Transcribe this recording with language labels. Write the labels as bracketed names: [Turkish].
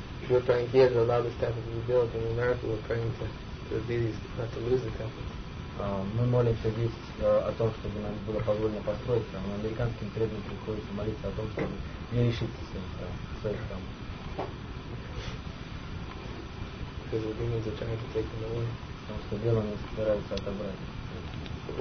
[English] We're praying here to allow this temple to be built. In America, we're praying to be these, not to lose the temple. [Russian] Мы молимся здесь о том, чтобы нам было позволено построить храм. Американским преданным приходится молиться о том, чтобы не лишиться своих храмов. [English] Because the demons are trying to take them away. [Russian] Потому что демоны собираются отобрать.